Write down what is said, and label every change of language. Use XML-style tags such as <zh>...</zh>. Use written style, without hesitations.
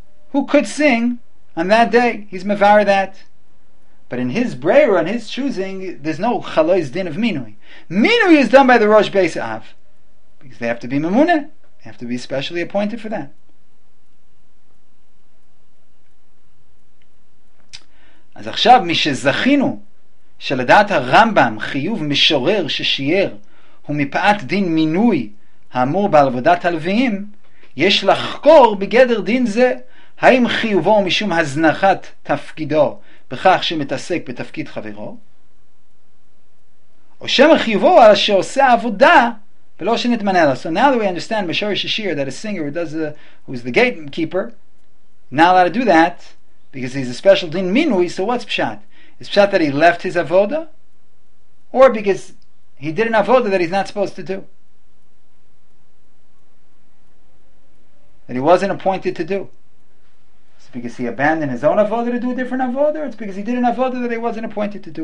<en>Who could sing on that day? He's mevar that. But in his brayer, on his choosing, there's no chalois din of minui. Minui is done by the Rosh Beis Av. Because they have to be memuneh. They have to be specially appointed for that.</en> <he>אז עכשיו, משזכינו שלדעת הרמב״ם חיוב משורר ששיער הוא מפאת דין מינוי האמור בעבודת הלוויים, יש לחקור בגדר דין זה, האם חיובו משום הזנחת תפקידו בכך שמתעסק בתפקיד חברו, או שמה חיובו על שעושה עבודה, ולא שנתמנה לה.</he> <en>So now that we understand Mishore Shashir, that a singer who is the gatekeeper, not allowed to do that, because he's a special din minui. So what's pshat? Is pshat that he left his avoda, or because he did an avoda that he's not supposed to do, that he wasn't appointed to do? Is it because he abandoned his own avoda to do a different avoda, or it's because he did an avoda that he wasn't appointed to do?</en>